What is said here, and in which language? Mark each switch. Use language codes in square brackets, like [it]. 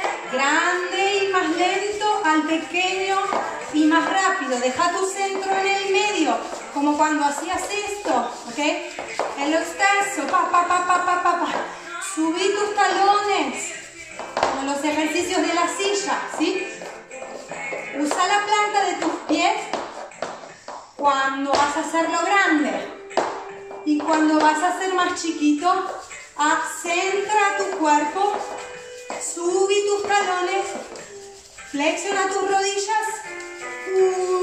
[es] Grande, il más lento, al pequeño, il más rápido. Deja tu centro [it] nel medio, [es] come quando hacías esto, ok? [it] È lo stesso, pa, pa, pa, pa, pa, pa, pa. [es] Subí tus talones, con los ejercicios de la silla, sí? Usa la planta de tus pies cuando vas a hacerlo grande. Y cuando vas a hacer más chiquito, centra tu cuerpo, subí tus talones, flexiona tus rodillas.